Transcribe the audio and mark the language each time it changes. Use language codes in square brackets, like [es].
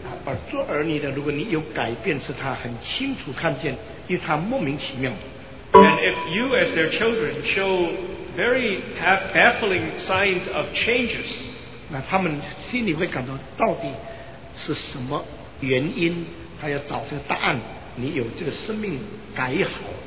[zh] 而做儿女的, 如果你有改变, 是他很清楚看见, 因为他莫名其妙, [en] and if you, as their children, show very baffling signs of changes, [zh] 那他们心里会感到, 到底是什么原因, 他要找这个答案, 你有这个生命改好,